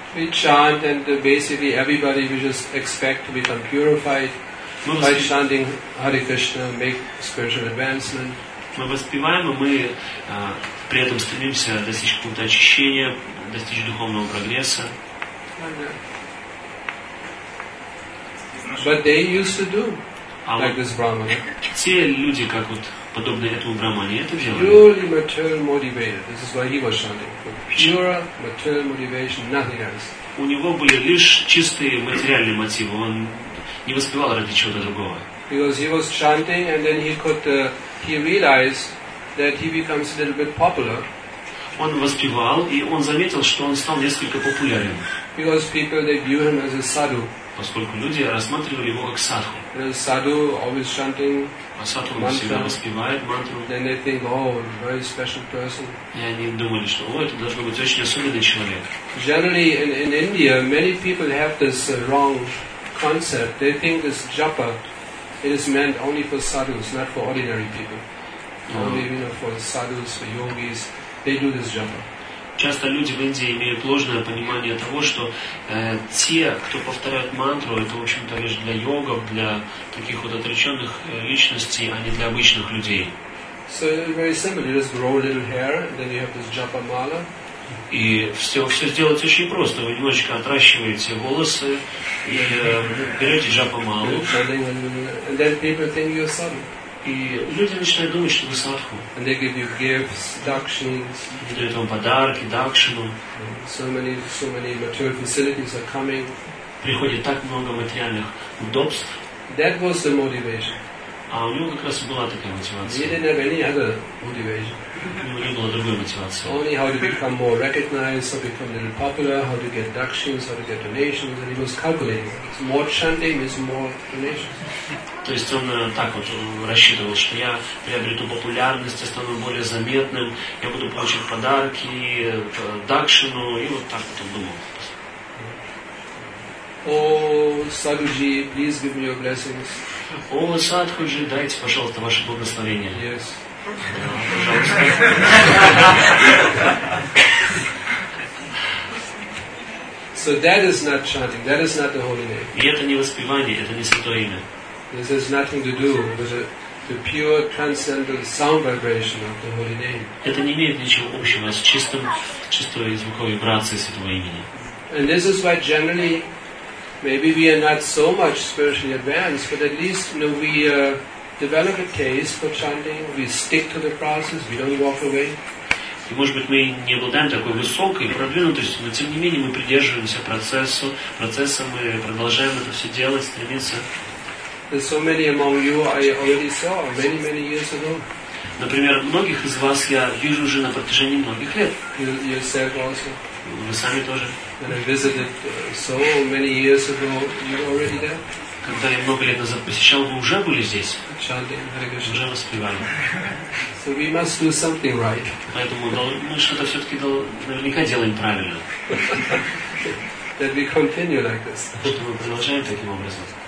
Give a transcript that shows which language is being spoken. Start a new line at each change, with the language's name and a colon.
English: We chant and basically everybody we just expect to become purified by chanting Hare Krishna, make spiritual advancement.
Russian: Мы воспеваем, и мы при этом стремимся достичь какого-то очищения, достичь духовного прогресса.
English: But they used to do like this Brahmana.
Russian: Те люди, как вот подобные этому Брахмане, это делали.
English: Purely material motivated. This is why he was chanting. Pure material motivation, nothing else.
Russian: У него были лишь чистые материальные мотивы. Он не воспевал ради чего-то другого.
English: Because he was chanting, and then he could, he realized that he becomes a little bit popular.
Russian: Он воспевал, и он заметил, что он стал несколько популярен.
English: Because people they view him as a sadhu.
Russian: поскольку люди рассматривали его как садху.
English: Саду always chanting mantra.
Russian: А садху всегда воспевает мантру.
English: Then they think, oh, very special person.
Russian: И они думали, что, о, это должен быть очень особенный человек.
English: Generally in India, many people have this wrong concept. They think this japa is meant only for sadhus, not for ordinary people. Only, you know, for sadhus, for yogis, they do this japa.
Russian: Часто люди в Индии имеют ложное понимание того, что те, кто повторяет мантру, это, в общем-то, лишь для йогов, для таких вот отреченных личностей, а не для обычных людей.
English: So very simple, you just grow a little hair, then you have this japa mala.
Russian: И все сделать очень просто. Вы немножечко отращиваете волосы и берете джапа малу.
English: And then people think you're sadhu.
Russian: И люди начинают думать, что вы садху.
English: And they give you gifts, dakshins.
Russian: И дают вам подарки, дакшину.
English: So many material facilities are coming.
Russian: Приходит так много материальных удобств.
English: That was the motivation.
Russian: А у него как раз и была такая мотивация.
English: He didn't have any other motivation.
Russian: У него не было другой мотивации.
English: Only how to become more recognized, how to become a little popular, how to get dakshins, how to get donations. And he was calculating. It's more chanting is more donations.
Russian: То есть он так вот рассчитывал, что я приобрету популярность, я стану более заметным, я буду получать подарки, дакшину, и вот так вот он думал.
English: О, садхуджи, please give me your blessings.
Russian: О, садхуджи, дайте, пожалуйста, ваше благословение.
English: Yes. So that is not chanting, that is not the holy name.
Russian: И это не воспевание, это не святое имя.
English: This has nothing to do with the pure transcendental sound vibration of the holy name.
Russian: Это не имеет ничего общего с чистой звуковой вибрацией святого имени.
English: And this is why generally maybe we are not so much spiritually advanced, but at least, you know, we develop a taste for chanting, we stick to the process, we don't walk away.
Russian: И, может быть, мы не обладаем такой высокой продвинутостью, но, тем не менее, мы придерживаемся процесса, мы продолжаем это все делать, стремиться.
English: There's so many among you I already saw many, many years ago.
Russian: Например, многих из вас я вижу уже на протяжении многих лет.
English: Yourself also.
Russian: Вы сами тоже.
English: When I visited so many years ago, you were already there.
Russian: Когда я много лет назад посещал, вы уже были здесь.
English: Chanting,
Russian: уже воспевали.
English: So we must do something right.
Russian: Поэтому мы что-то все-таки наверняка делаем правильно.
English: That we continue like this.
Russian: Что мы продолжаем таким образом.